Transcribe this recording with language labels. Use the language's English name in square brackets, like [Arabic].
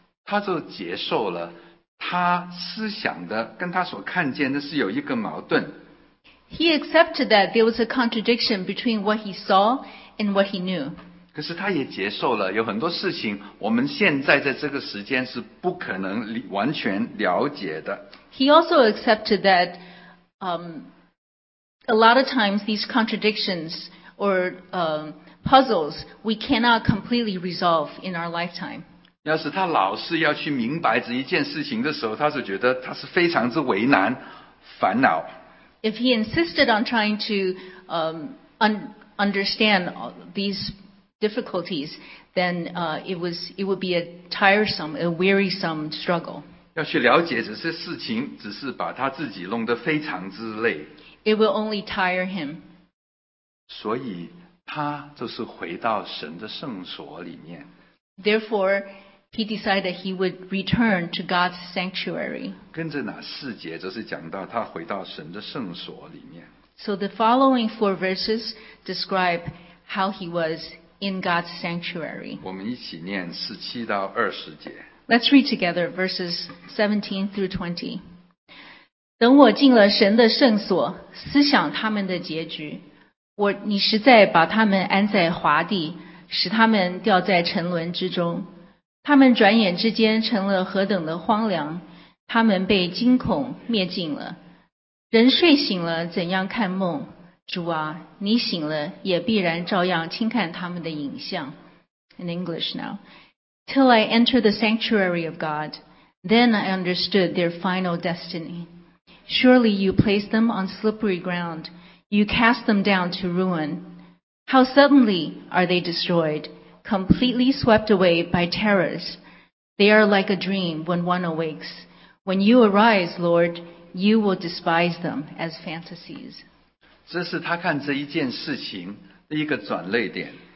[Chinese] 他就接受了，他思想的跟他所看见的是有一个矛盾。 [English] He accepted that there was a contradiction between what he saw and what he knew. [Chinese] 可是他也接受了，有很多事情我们现在在这个时间是不可能完全了解的。 [English] He also accepted that a lot of times these contradictions puzzles we cannot completely resolve in our lifetime. [Chinese] 要是他老是要去明白这一件事情的时候，他是觉得他是非常之为难、烦恼。 [English] If he insisted on trying to understand these difficulties, then it would be a tiresome, a wearisome struggle. [Chinese] 要去了解这些事情，只是把他自己弄得非常之累。 [English] It will only tire him. [Chinese] 所以。他就是回到神的圣所里面。 [English] Therefore, he decided he would return to God's sanctuary. [Chinese] 跟着哪四节就是讲到他回到神的圣所里面。 [English] So the following four verses describe how he was in God's sanctuary. [Chinese] 我们一起念十七到二十节。 [English] Let's read together verses 17 through 20. [Chinese] 等我进了神的圣所，思想他们的结局。你实在把他们安在滑地，使他们掉在沉沦之中。他们转眼之间成了何等的荒凉，他们被惊恐灭尽了。人睡醒了怎样看梦？主啊，你醒了也必然照样轻看他们的影像。 [English] In English now. Till I enter the sanctuary of God, then I understood their final destiny. Surely you place them on slippery ground. You cast them down to ruin. How suddenly are they destroyed, completely swept away by terrors. They are like a dream when one awakes. When you arise, Lord, you will despise them as fantasies. [Chinese] 这是他看这一件事情的一个转捩点。